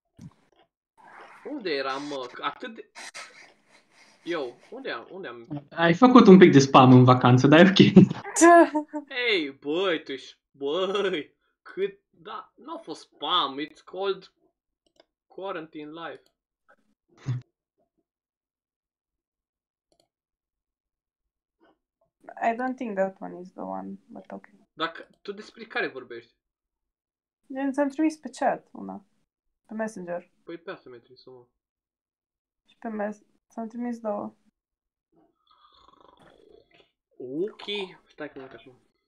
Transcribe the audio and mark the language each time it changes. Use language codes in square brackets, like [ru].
[en] Yeah. [ro] Unde eram, mă? Atât de... Yo, unde am? Ai făcut un pic de spam în vacanță, dar e ok. Hey, băi, tu ești... Băi, cât... Da, n-a fost spam, [en] it's called quarantine life. I don't think that one is the one, but okay. [ro] Dacă... Tu despre care vorbești? Din ți-am trimis pe chat una, pe Messenger. Păi pe asta mi-ai trimis una. Și pe ți-am trimis două. Ok, stai că mă cașu.